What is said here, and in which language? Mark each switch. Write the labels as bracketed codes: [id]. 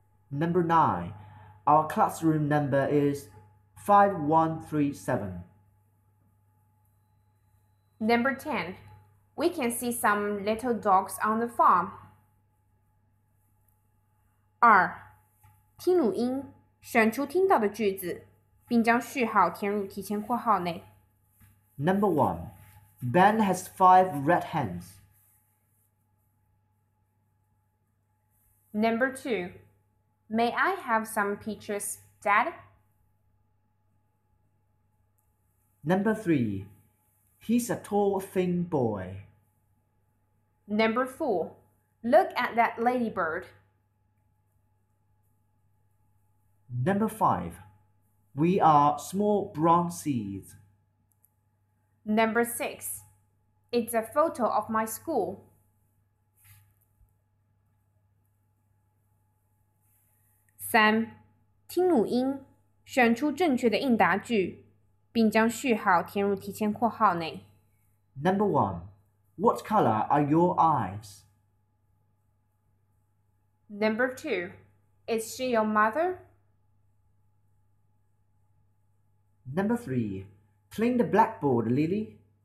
[en] Number 9. Our classroom number is 5137. Number 10. We can see some little dogs on the farm. 2. [zh] 听录音，选出听到的句子，并将序号填入提前括号内。 [en] Number 1. Ben has 5 red hands. Number 2. May I have some peaches, Dad? Number 3. He's a tall, thin boy. Number 4. Look at that ladybird. Number 5. We are small brown seeds. Number 6. It's a photo of my school. [zh] 三，听录音，选出正确的应答句，并将序号填入提前括号内。 [en] Number 1. What color are your eyes? Number 2. Is she your mother? Number 3. Clean the blackboard, Lily.